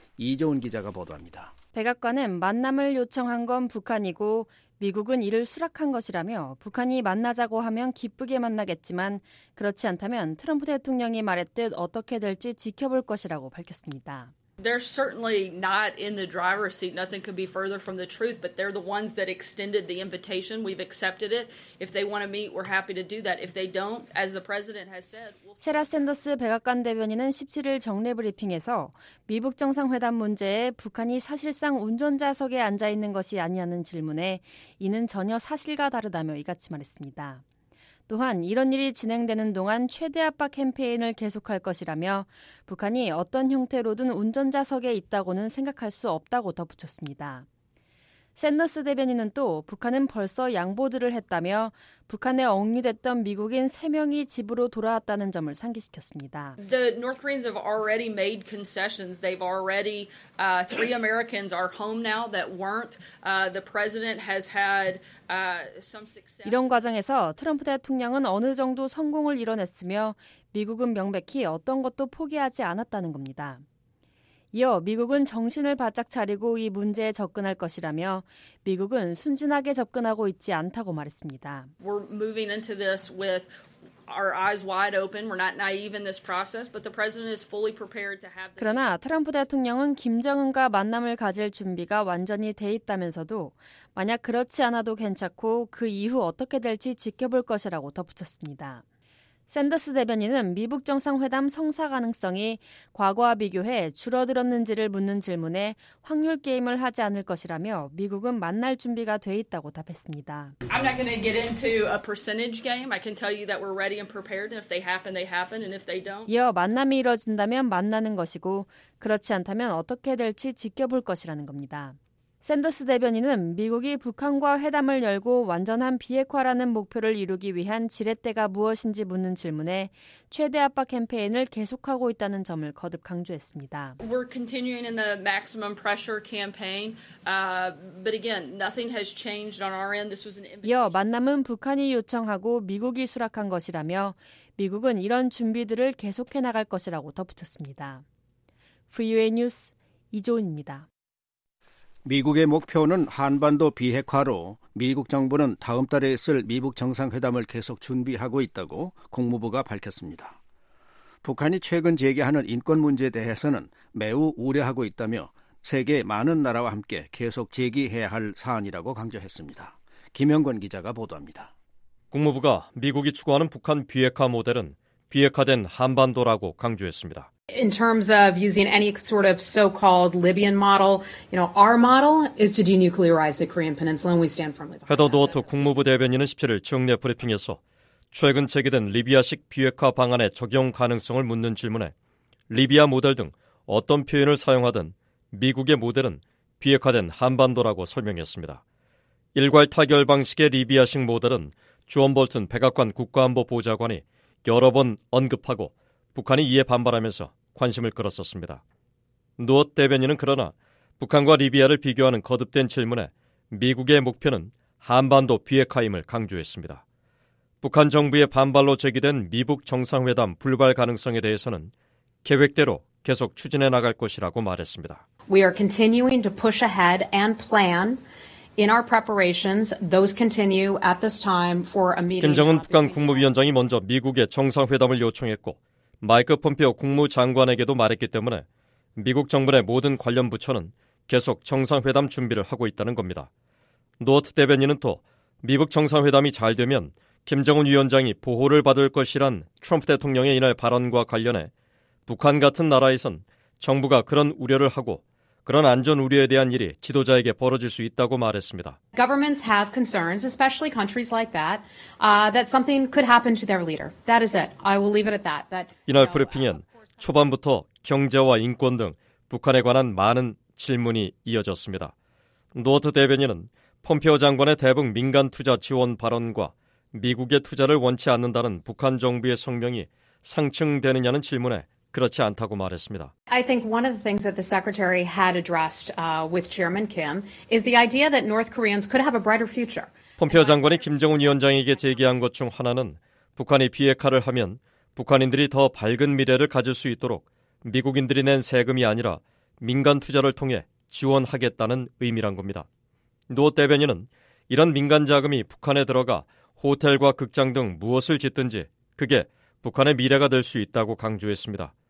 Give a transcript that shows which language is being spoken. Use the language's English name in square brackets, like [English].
[Korean] 이재훈 기자가 보도합니다. 백악관은 만남을 요청한 건 북한이고 미국은 이를 수락한 것이라며 북한이 만나자고 하면 기쁘게 만나겠지만 그렇지 않다면 트럼프 대통령이 말했듯 어떻게 될지 지켜볼 것이라고 밝혔습니다. [English] They're certainly not in the driver's seat. Nothing could be further from the truth, but they're the ones that extended the invitation. We've accepted it. If they want to meet, we're happy to do that. If they don't, as the president has said, we'll... [Korean] 세라 샌더스 백악관 대변인은 17일 정례 브리핑에서 미북 정상회담 문제에 북한이 사실상 운전자석에 앉아 있는 것이 아니냐는 질문에 이는 전혀 사실과 다르다며 이같이 말했습니다. 또한 이런 일이 진행되는 동안 최대 압박 캠페인을 계속할 것이라며 북한이 어떤 형태로든 운전자석에 있다고는 생각할 수 없다고 덧붙였습니다. 샌더스 대변인은 또 북한은 벌써 양보들을 했다며 북한에 억류됐던 미국인 3명이 집으로 돌아왔다는 점을 상기시켰습니다. [English] The North Koreans have already made concessions. They've already three Americans are home now that weren't. The president has had some success. [Korean] 이런 과정에서 트럼프 대통령은 어느 정도 성공을 이뤄냈으며 미국은 명백히 어떤 것도 포기하지 않았다는 겁니다. 이어 미국은 정신을 바짝 차리고 이 문제에 접근할 것이라며 미국은 순진하게 접근하고 있지 않다고 말했습니다. [English] We're moving into this with our eyes wide open. We're not naive in this process, but the president is fully prepared to have. [Korean] 그러나 트럼프 대통령은 김정은과 만남을 가질 준비가 완전히 돼 있다면서도 만약 그렇지 않아도 괜찮고 그 이후 어떻게 될지 지켜볼 것이라고 덧붙였습니다. 샌더스 대변인은 미북 정상회담 성사 가능성이 과거와 비교해 줄어들었는지를 묻는 질문에 확률 게임을 하지 않을 것이라며 미국은 만날 준비가 돼 있다고 답했습니다. [English] I'm not going to get into a percentage game. I can tell you that we're ready and prepared. And if they happen, they happen. And if they don't. [Korean] 이어 만남이 이뤄진다면 만나는 것이고 그렇지 않다면 어떻게 될지 지켜볼 것이라는 겁니다. 샌더스 대변인은 미국이 북한과 회담을 열고 완전한 비핵화라는 목표를 이루기 위한 지렛대가 무엇인지 묻는 질문에 최대 압박 캠페인을 계속하고 있다는 점을 거듭 강조했습니다. [English] We're continuing in the maximum pressure campaign. But again, nothing has changed on our end. This was an invitation. [Korean] 이어 만남은 북한이 요청하고 미국이 수락한 것이라며 미국은 이런 준비들을 계속해 나갈 것이라고 덧붙였습니다. VOA 뉴스 이조은입니다. 미국의 목표는 한반도 비핵화로 미국 정부는 다음 달에 있을 미북 정상회담을 계속 준비하고 있다고 국무부가 밝혔습니다. 북한이 최근 제기하는 인권 문제에 대해서는 매우 우려하고 있다며 세계 많은 나라와 함께 계속 제기해야 할 사안이라고 강조했습니다. 김영권 기자가 보도합니다. 국무부가 미국이 추구하는 북한 비핵화 모델은 비핵화된 한반도라고 강조했습니다. [English] In terms of using any sort of so-called Libyan model, you know, our model is to denuclearize the Korean Peninsula and we stand firmly behind. [Korean] 헤더 도어트 국무부 대변인은 17일 정례 브리핑에서 최근 제기된 리비아식 비핵화 방안의 적용 가능성을 묻는 질문에 리비아 모델 등 어떤 표현을 사용하든 미국의 모델은 비핵화된 한반도라고 설명했습니다. 일괄 타결 방식의 리비아식 모델은 주원 볼튼 백악관 국가안보 보좌관이 여러 번 언급하고 북한이 이에 반발하면서 관심을 끌었었습니다. 노 대변인은 그러나 북한과 리비아를 비교하는 거듭된 질문에 미국의 목표는 한반도 비핵화임을 강조했습니다. 북한 정부의 반발로 제기된 미북 정상회담 불발 가능성에 대해서는 계획대로 계속 추진해 나갈 것이라고 말했습니다. [English] We are continuing to push ahead and plan in our preparations. Those continue at this time for a meeting. [Korean] 김정은 북한 국무위원장이 먼저 미국의 정상회담을 요청했고 마이크 폼페오 국무장관에게도 말했기 때문에 미국 정부의 모든 관련 부처는 계속 정상회담 준비를 하고 있다는 겁니다. 노트 대변인은 또 미북 정상회담이 잘 되면 김정은 위원장이 보호를 받을 것이란 트럼프 대통령의 이날 발언과 관련해 북한 같은 나라에선 정부가 그런 우려를 하고 그런 안전 우려에 대한 일이 지도자에게 벌어질 수 있다고 말했습니다. [English] Governments have concerns, especially countries like that, that something could happen to their leader. That is it. I will leave it at that. That [Korean] 이날 브리핑엔 초반부터 경제와 인권 등 북한에 관한 많은 질문이 이어졌습니다. 노트 대변인은 폼페오 장관의 대북 민간 투자 지원 발언과 미국의 투자를 원치 않는다는 북한 정부의 성명이 상충되느냐는 질문에 그렇지 않다고 말했습니다. [English] I think one of the things that the secretary had addressed with Chairman Kim is the idea that North Koreans could have a brighter future. [Korean] 폼페오 장관이 김정은 위원장에게 제기한 것 중 하나는 북한이 비핵화를 하면 북한인들이 더 밝은 미래를 가질 수 있도록 미국인들이 낸 세금이 아니라 민간 투자를 통해 지원하겠다는 의미란 겁니다. 노 대변인은 이런 민간 자금이 북한에 들어가 호텔과 극장 등 무엇을 짓든지 그게 북한의 미래가 될 수 있다고 강조했습니다.